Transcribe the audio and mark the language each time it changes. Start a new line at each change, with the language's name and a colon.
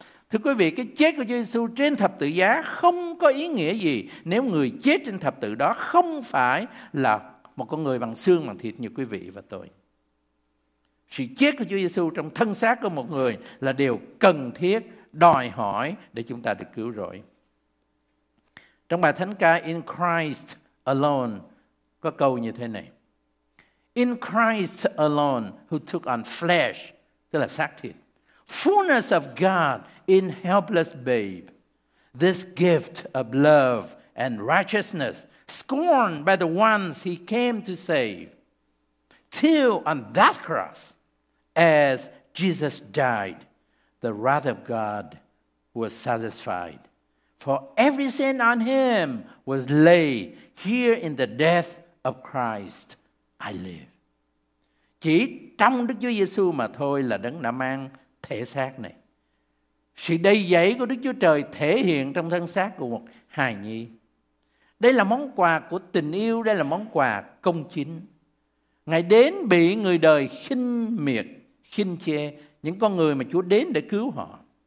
Vietnamese: Thưa quý vị, cái chết của Chúa Giêsu trên thập tự giá không có ý nghĩa gì nếu người chết trên thập tự đó không phải là một con người bằng xương bằng thịt như quý vị và tôi. Sự chết của Chúa Giêsu trong thân xác của một người là điều cần thiết, đòi hỏi để chúng ta được cứu rỗi. Trong bài thánh ca In Christ Alone có câu như thế này:
English: In Christ alone who took on flesh,
Vietnamese: tức là xác thịt,
English: fullness of God in helpless babe, this gift of love and righteousness scorned by the ones he came to save, till on that cross, as Jesus died, the wrath of God was satisfied, for every sin on him was laid, here in the death of Christ I live.
Vietnamese: Chỉ trong Đức Chúa Giêsu mà thôi là Đấng đã mang thể xác này. Sự đầy dẫy của Đức Chúa Trời thể hiện trong thân xác của một hài nhi. Đây là món quà của tình yêu, đây là món quà công chính. Ngài đến bị người đời khinh miệt, khinh chê, những con người mà Chúa đến để cứu họ.